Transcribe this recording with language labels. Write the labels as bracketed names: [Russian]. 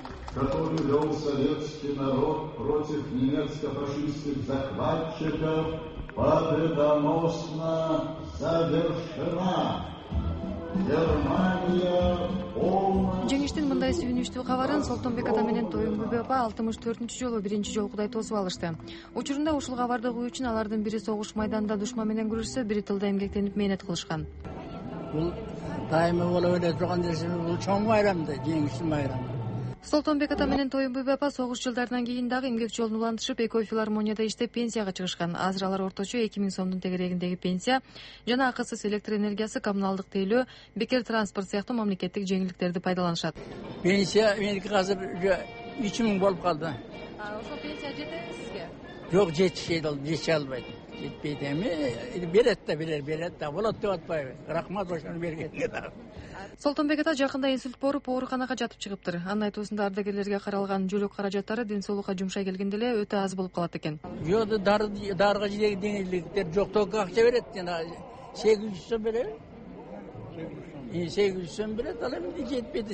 [Russian] Который вел советский народ против немецко-фашистских захватчиков, Победоносно завершена. Германия полна. [Kyrgyz] Жеңиштин мындай сүйүнүчтүү кабарын Солтонбек ата менен Тоюмбу Бөбө 64-жү жолу биринчи жолу кудай тосуп алышты. Учурунда ушул кабарды угуу үчүн алардын бири согуш майданында душман менен күрүшсө, бири тылда эмгектенип мээнет кылышкан. Бул дайыма боло эле турган нерсе, бул чоң байрам да, жеңиштин байрамы. Солтонбек ата менен Тоюмбу Бөбө согуш жылдарынан кийин дагы эмгек жолун улантышып, эко филармонияда иштеп пенсияга чыгышкан. Азыр алар орточо 2000 сомдун тегерегиндеги пенсия жана акысыз электр энергиясы, коммуналдык төлөө, бекер транспорт сыяктуу мамлекеттик жеңилдиктерди пайдаланышат. Пенсия меники азыр 3000 болуп калды. Ошол пенсия жетеби сизге? Жок, жетишет, ал жече албайт. Жетпейт эми, берет да, берет да, болот деп атпайбы. Рахмат ошону берген. Солтонбек ата жакында инсульт болуп ооруканага жатып чыгыптыр. Анын айтуусунда ардагерлерге каралган жүрөк каражаттары ден соолукка жумшай келгенде эле өтө аз болуп калат экен. Жөө дарыга жеңилдиктер жок, [Russian] только [Kyrgyz] акча берет. 800 сом береби? 800 сом берет, ал эми жетпейди.